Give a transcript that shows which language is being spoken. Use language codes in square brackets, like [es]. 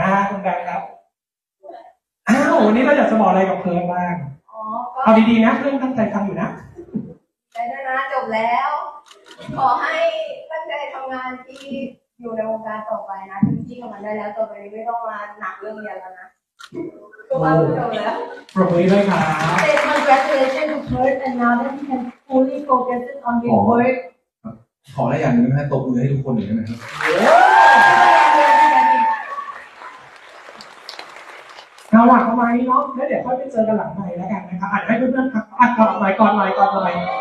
[th] คุณแบงค์ครับอ้าววันนี้เราอยากจะบอกอะไรกับเพื่อนบ้างเอาดีๆนะเพื่อนตั้งใจทำอยู่นะ ได้นะจบแล้วขอให้ตั้งใจทำงานที่อยู่ในวงการต่อไปนะจริงๆกับมันได้แล้วต่อไปนี้ไม่ต้องมาหนักเรื่องเรียนแล้วนะ โอ้ปรบมือด้วยครับ [en] Congratulations to Perth and now that you can fully focus on your work [th] ขอได้อย่างนึงให้ตบมือให้ทุกคนหน่อยได้ไหมครับ เอาล่ะเข้ามาอีกเนาะแล้วเดี๋ยวค่อยไปเจอกันหลังใหม่แล้วกันนะครับอ่ะให้เพื่อนๆพักก่อนหน่อยก่อนหน่อย